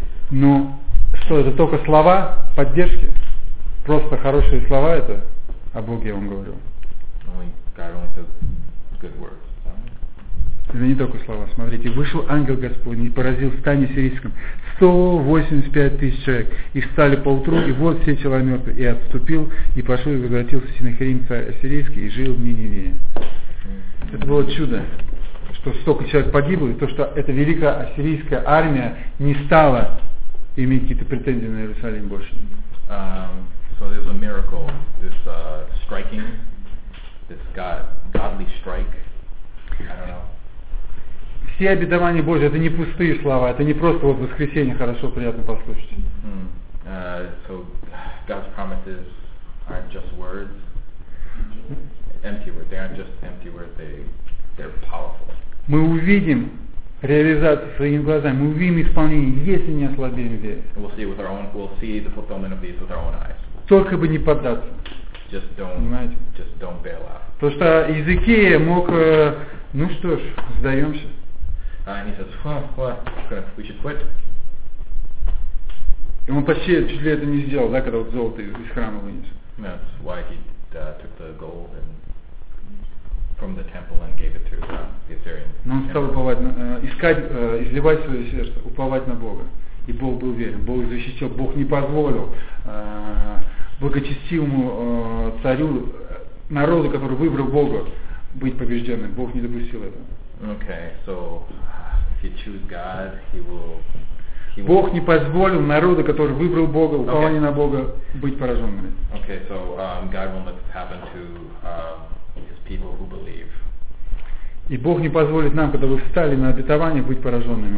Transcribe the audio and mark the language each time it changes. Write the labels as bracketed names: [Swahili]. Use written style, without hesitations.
[Russian] Ну, что, это только слова поддержки? Просто хорошие слова это? О Боге я вам говорю. [English] Only God only says good words. [Russian] Это не только слова. Смотрите, вышел ангел Господень и поразил в стане сирийском 185 тысяч человек. И встали поутру, и вот все тела мертвы. И отступил, и пошел, и возвратился в Синахирим царь ассирийский, и жил в Ниневе. Это было чудо, что столько человек погибло, и то, что эта великая ассирийская армия не стала иметь какие-то претензии на Иерусалим больше. [English] So there's a miracle. This striking, this godly strike. I don't know. [Russian] Все обетования Божьи, это не пустые слова, это не просто вот воскресенье хорошо, приятно послушать. Mm-hmm. [English] So God's promises aren't just words, empty words. They aren't just empty words. They're powerful. [Russian] Мы увидим реализацию своими глазами, мы увидим исполнение, если не ослабеем веру. [English] We'll see with our own, we'll see the fulfillment of these with our own eyes. [Russian] Только бы не поддаться. [English] Just don't. [Russian] Понимаете? [English] Just don't bail out. [Russian] То что Иезекия мог, ну что ж, сдаемся. [English] And he says, we should quit. [Russian] И он почти чуть ли это не сделал, да, когда вот золото из храма вынес. [English] That's why he took the gold and from the temple and gave it to the Assyrian. [Russian] Но он стал уповать, изливать свое сердце, уповать на Бога. И Бог был верен, Бог защитил, Бог не позволил благочестивому царю, народу, который выбрал Бога, быть побежденным. Бог не допустил этого. [English] Okay, so if you choose God, he will. [Russian] Бог не позволил народу, который выбрал Бога, упование на Бога, быть пораженными. [English] Okay, so God will let this happen to his people who believe. [Russian] И Бог не позволит нам, когда вы встали на обетование, быть пораженными.